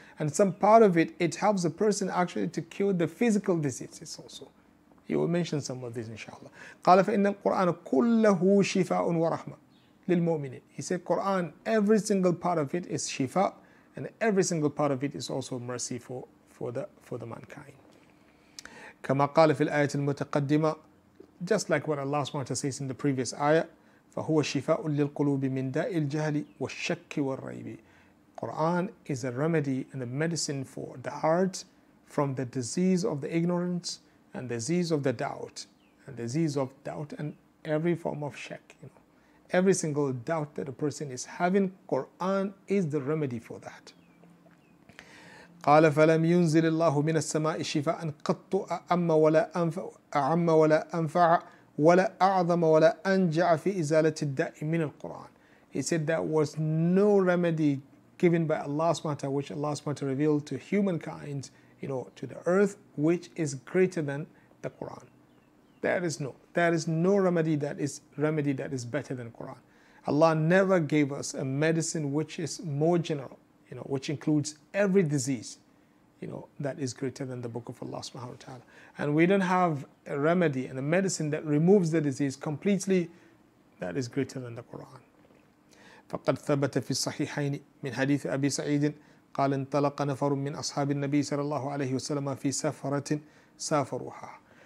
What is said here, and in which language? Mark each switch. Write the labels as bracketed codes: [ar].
[en] And some part of it, it helps a person actually to cure the physical diseases also. He will mention some of these, inshallah. [ar] قَالَ فَإِنَّ الْقُرْآنَ كُلَّهُ شِفَاءٌ وَرَحْمَةٌ لِلْمُؤْمِنِينَ. [en] He said, Quran, every single part of it is shifa, and every single part of it is also mercy for for the mankind. [ar] كما قال في الآية المتقدمة, [en] just like what Allah subhanahu wa ta'ala says in the previous ayah, [ar] فهو شفاء للقلوب من داء الجهل والشك والريب. [en] Quran is a remedy and a medicine for the heart from the disease of the ignorance and the disease of the doubt and the disease of doubt and every form of shak. You know, every single doubt that a person is having, Quran is the remedy for that. [ar] قال فلم ينزل الله من السماء شفاء قط أعم ولا أنفع ولا أعظم ولا أنجع في إزالة الداء من القرآن. [en] He said that was no remedy given by Allah subhanahu wa ta'ala, which Allah subhanahu wa ta'ala revealed to humankind, you know, to the earth, which is greater than the Quran. There is no remedy that is better than Quran. Allah never gave us a medicine which is more general, you know, which includes every disease, you know, that is greater than the book of Allah subhanahu wa ta'ala. And we don't have a remedy and a medicine that removes the disease completely that is greater than the Quran. [ar] فقد ثبت في الصحيحين من حديث أبي سعيد قال انطلق نفر من أصحاب النبي صلى الله عليه وسلم في سفرة سافروها.